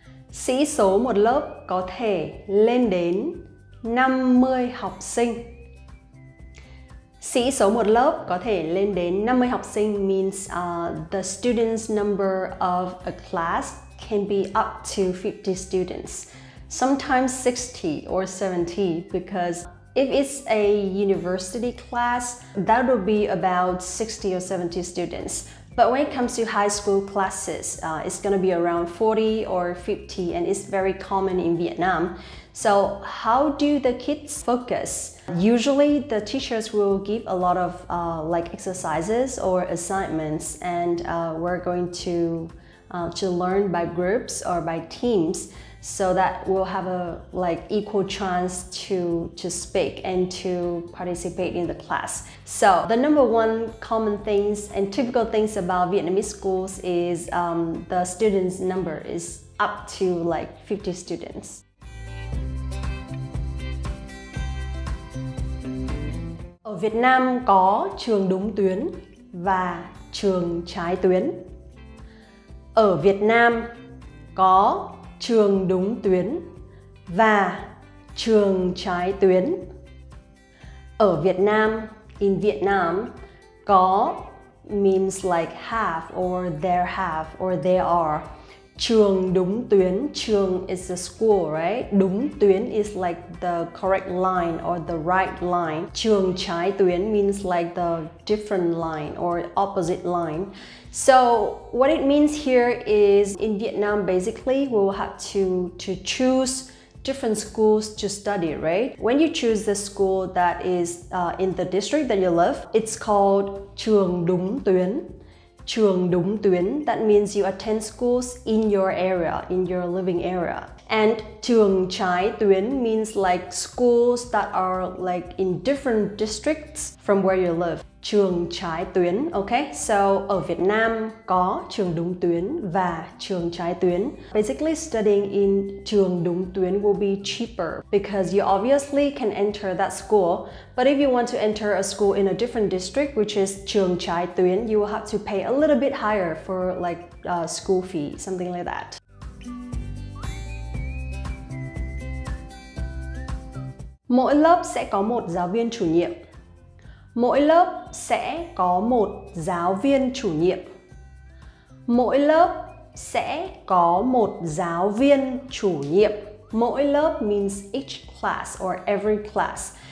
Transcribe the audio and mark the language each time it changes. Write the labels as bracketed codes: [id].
[vi] Sĩ số một lớp có thể lên đến 50 học sinh. Sĩ số một lớp có thể lên đến 50 học sinh [en] means the students' number of a class can be up to 50 students. Sometimes 60 or 70, because if it's a university class, that will be about 60 or 70 students. But when it comes to high school classes, it's going to be around 40 or 50, and it's very common in Vietnam. So how do the kids focus? Usually the teachers will give a lot of exercises or assignments, and we're going to learn by groups or by teams, so that we'll have a equal chance to speak and to participate in the class. So the number one common things and typical things about Vietnamese schools is the students' number is up to 50 students. [vi] Ở Việt Nam có trường đúng tuyến và trường trái tuyến. Ở Việt Nam có trường đúng tuyến và trường trái tuyến. Ở Việt Nam, [en] in Vietnam, có means have or there have or there are. [vi] Trường đúng tuyến, [en] trường is the school, right? [vi] Đúng tuyến [en] is the correct line or the right line. [vi] Trường trái tuyến [en] means the different line or opposite line. So what it means here is in Vietnam, basically, we will have to choose different schools to study, right? When you choose the school that is in the district that you live, it's called [vi] trường đúng tuyến. Trường đúng tuyến, [en] that means you attend schools in your area, in your living area. And [vi] trường trái tuyến [en] means schools that are in different districts from where you live. [vi] Trường trái tuyến, okay? So, ở Việt Nam có trường đúng tuyến và trường trái tuyến. [en] Basically, studying in [vi] trường đúng tuyến [en] will be cheaper because you obviously can enter that school. But if you want to enter a school in a different district, which is [vi] trường trái tuyến, [en] you will have to pay a little bit higher for school fee, something like that. [vi] Mỗi lớp sẽ có một giáo viên chủ nhiệm. Mỗi lớp sẽ có một giáo viên chủ nhiệm. Mỗi lớp sẽ có một giáo viên chủ nhiệm. Mỗi lớp [en] means each class or every class.